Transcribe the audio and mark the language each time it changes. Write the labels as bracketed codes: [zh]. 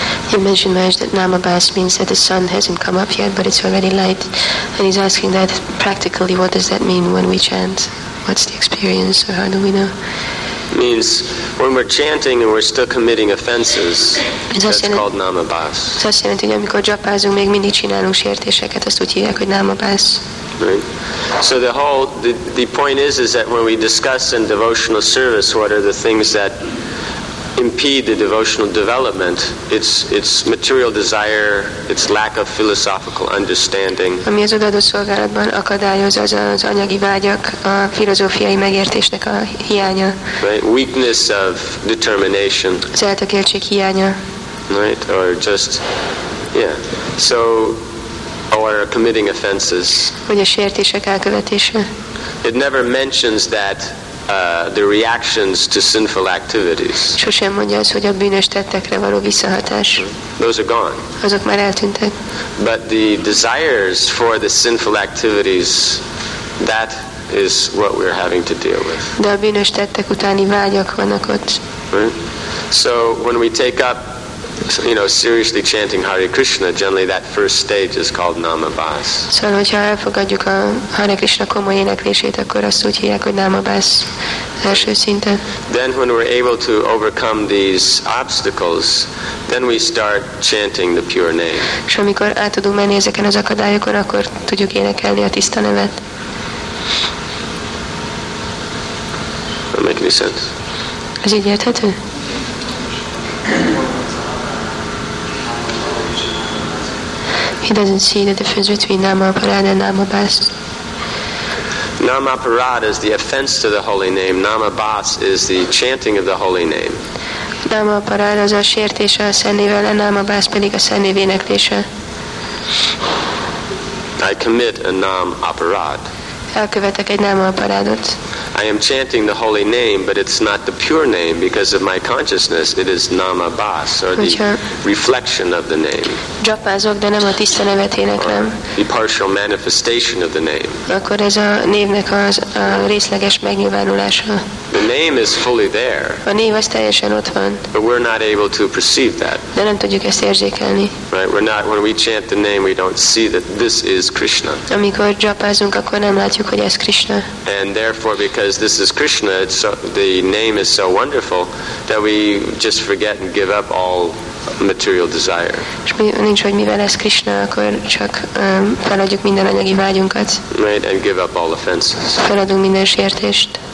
[en] He mentioned Maharaj that Namabhas means that the sun hasn't come up yet, but it's already light. And he's asking that practically, what does that mean when we chant? What's the experience, or how do we know? Means when we're chanting and we're still committing offenses, called Namabhas. [hu] Ez azt jelenti, hogy amikor japázunk, még mindig csinálunk sértéseket, azt úgy hívják, hogy Namabhas. [en] Right. So the point is that when we discuss in devotional service, what are the things that impede the devotional development, its material desire, its lack of philosophical understanding. [hu] Ami az odaadó szolgálatban akadályoz, az az anyagi vágyak, a filozófiai megértésnek a hiánya. [en] Right? Weakness of determination. [hu] Az eltökéltség hiánya. [en] Right? Or just, yeah. So, or committing offenses. [hu] Vagy a sértések elkövetése. [en] It never mentions that the reactions to sinful activities. [hu] Sosem mondja az, hogy a bűnös tettekre való visszahatás. [en] Those are gone. [hu] Azok már eltűntek. [en] But the desires for the sinful activities, that is what we're having to deal with. [hu] De a bűnös tettek utáni vágyak vannak ott. [en] So when we take up, you know, seriously chanting Hare Krishna, generally that first stage is called Namabhas. [hu] Szóval, hogyha elfogadjuk a Hare Krishna komoly éneklését, akkor azt úgy hívják, hogy Namabhas első szinten. [en] Then when we're able to overcome these obstacles, then we start chanting the pure name. [hu] És amikor át tudunk menni ezeken az akadályokon, akkor tudjuk énekelni a tiszta nevet. [en] That make any sense? [hu] Ez így érthető? [en] He doesn't see the difference between Namaparada and Namabhas. Namaparada is the offense to the holy name. Namabhas is the chanting of the holy name. [hu] Namaparada az a sértése a szennével, a Namabhas pedig a szennév éneklése. [en] I commit a Namaparada. [hu] Elkövetek egy Namaparadot. [en] I am chanting the holy name, but it's not the pure name because of my consciousness. It is Namabhas, or the reflection of the name. [hu] Japázok, de nem a tiszta nevet éneklem. [en] The partial manifestation of the name. [hu] Akkor ez a névnek az a részleges megnyilvánulása. [en] The name is fully there. [hu] A név az teljesen ott van. [en] But we're not able to perceive that. [hu] De nem tudjuk ezt érzékelni. [en] Right? We're not. When we chant the name, we don't see that this is Krishna. [hu] Amikor japázunk, akkor nem látjuk, hogy ez Krishna. [en] And therefore, because this is Krishna, it's so, the name is so wonderful that we just forget and give up all material desire. [hu] És mi, nincs, hogy mivel ez Krishna, akkor csak feladjuk minden anyagi vágyunkat. [en] Right, and give up all offenses. [hu] Feladunk minden sértést.